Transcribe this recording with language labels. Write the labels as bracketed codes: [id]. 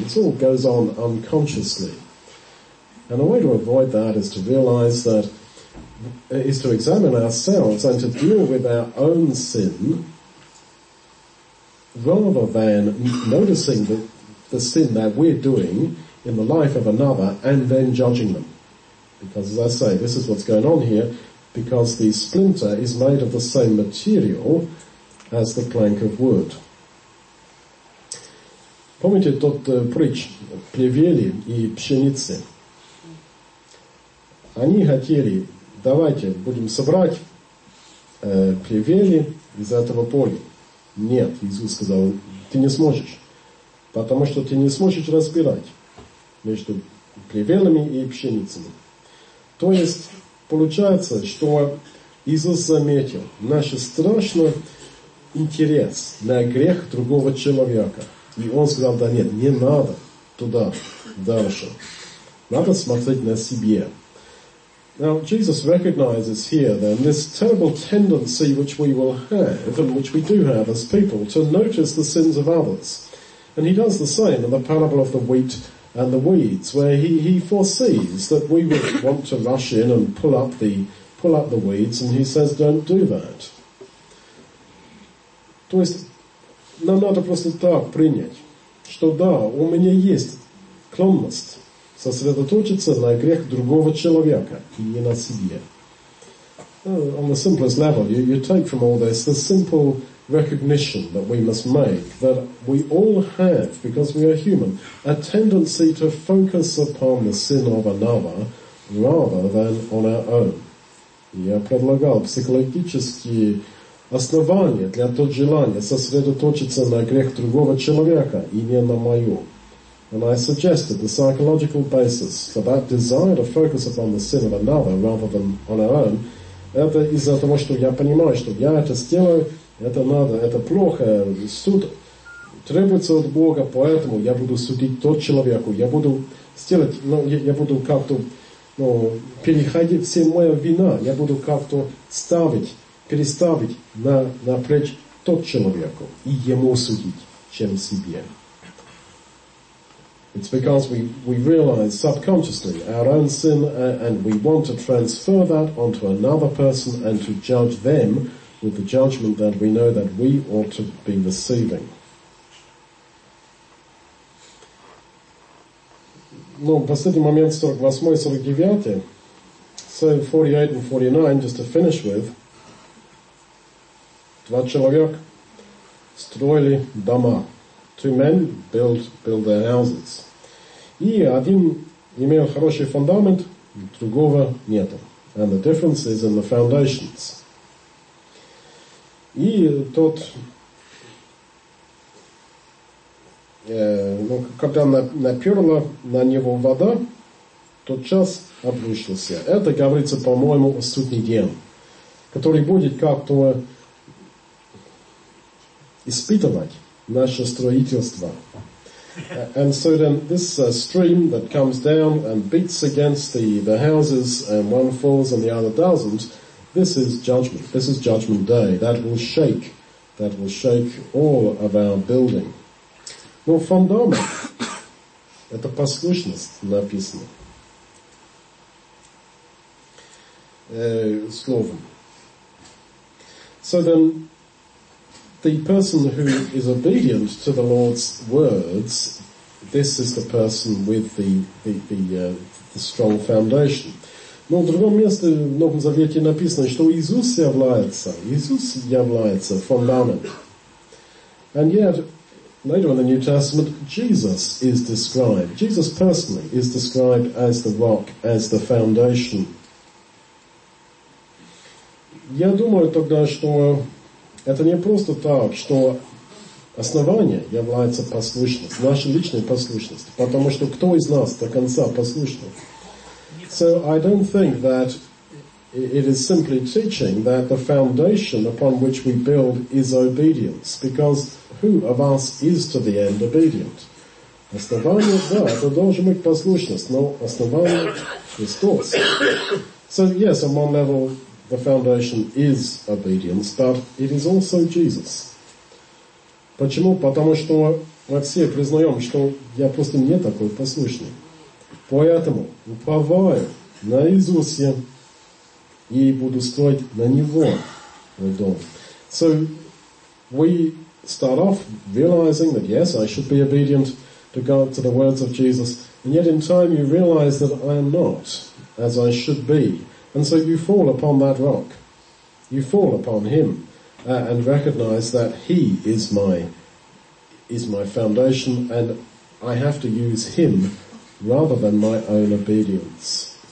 [en] It all goes on unconsciously. And the way to avoid that is to realize that is to examine ourselves and to deal with our own sin rather than noticing the sin that we're doing in the life of another and then judging them. Because, as I say, this is what's going on here, because the splinter is made of the same material as the plank of wood. [ru] Помните тот притч о плевеле и пшенице? Они хотели: давайте будем собрать плевели из этого поля. Нет, Иисус сказал, ты не сможешь, потому что ты не сможешь разбирать между плевелами и пшеницами. То есть получается, что Иисус заметил наш страшный интерес на грех другого человека. И он сказал, да нет, не надо туда дальше. Надо смотреть на себе. [en] Now Jesus recognizes here then this terrible tendency which we will have and which we do have as people to notice the sins of others. And he does the same in the parable of the wheat and the weeds, where he foresees that we would want to rush in and pull up the weeds, and he says, don't do that. [ru] То есть нам надо просто так принять, что да, у меня есть склонность сосредоточиться на грех другого человека и не на себе. [en] On the simplest level, you take from all this the simple recognition that we must make, that we all have, because we are human, a tendency to focus upon the sin of another rather than on our own. [ru] Я предлагал психологические основания для того желания сосредоточиться на грех другого человека и не на моем. [en] And I suggested the psychological basis for that desire to focus upon the sin of another rather than on our own. [ru] Это из-за того, что я понимаю, что я это сделаю, это надо, это плохо, суд требуется от Бога, поэтому я буду судить тот человеку, я буду сделать, ну, я буду как-то, ну, переходить все моя вина, я буду как-то переставить на плечи тот человеку и ему судить, чем себе. [en] It's because we realize subconsciously our own sin and we want to transfer that onto another person and to judge them with the judgment that we know that we ought to be receiving. [ru] Ну, последний момент, 48-й, 49-й. [en] So 48 and 49, just to finish with, [ru] два человека строили дома. [en] Two men build their houses. [ru] И один имел хороший фундамент, другого нету. [en] And the difference is in the foundations. [ru] И тот, ну, когда наперла на него вода, тот час обрушился. Это говорится, по-моему, о судный день, который будет как-то испытывать наше строительство. [en] And so then this stream that comes down and beats against the houses and one falls and the other doesn't, this is judgment. This is judgment day. That will shake all of our building. [ru] Ну, фундамент – это послушность написано. Словом. [en] So then, the person who is obedient to the Lord's words, this is the person with the strong foundation. [ru] Но в другом месте в Новом Завете написано, что Иисус является фундамент. [en] And yet, later in the New Testament, Jesus is described. Jesus personally is described as the rock, as the foundation. [ru] Я думаю тогда, что это не просто так, что основание является послушность, наша личная послушность, потому что кто из нас до конца послушный? [en] So I don't think that it is simply teaching that the foundation upon which we build is obedience, because who of us is to the end obedient? [ru] Основание, да, это должен быть послушность, но основание Христос. [en] So yes, on one level, the foundation is obedience, but it is also Jesus. [ru] Почему? Потому что мы все признаем, что я просто не такой послушный. Поэтому уповаю на Иисусе и буду строить на Него мой дом. [en] So we start off realizing that yes, I should be obedient to God, to the words of Jesus, and yet in time you realize that I am not as I should be. And so you fall upon that rock. You fall upon him and recognize that he is my foundation and I have to use him rather than my own obedience.